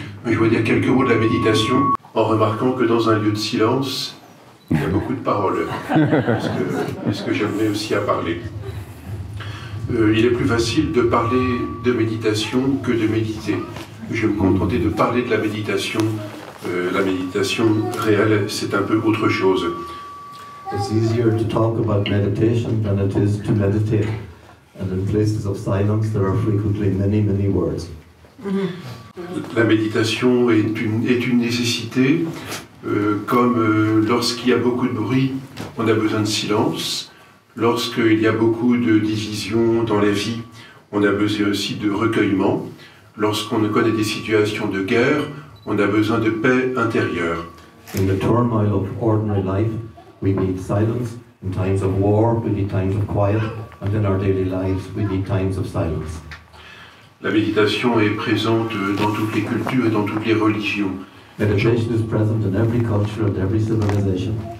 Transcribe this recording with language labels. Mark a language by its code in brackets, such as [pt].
[fr] Mais je voudrais dire quelques mots de la méditation en remarquant que dans un lieu de silence, il y a beaucoup de paroles, puisque j'aimerais aussi à parler. Il est plus facile de parler de méditation que de méditer. Je vais me contenter de parler de la méditation. La méditation réelle, c'est un peu autre chose. [en] It's easier to talk about meditation than it is to meditate. And in places of silence, there are frequently many, many words. [fr] La méditation est une nécessité, comme lorsqu'il y a beaucoup de bruit, on a besoin de silence. Lorsqu'il y a beaucoup de divisions dans la vie, on a besoin aussi de recueillement. Lorsqu'on connaît des situations de guerre, on a besoin de paix intérieure. [en] In the turmoil of ordinary life, we need silence. In times of war, we need times of quiet. And in our daily lives, we need times of silence. [fr] La méditation est présente dans toutes les cultures et dans toutes les religions. [en] Meditation is present in every culture and every civilization.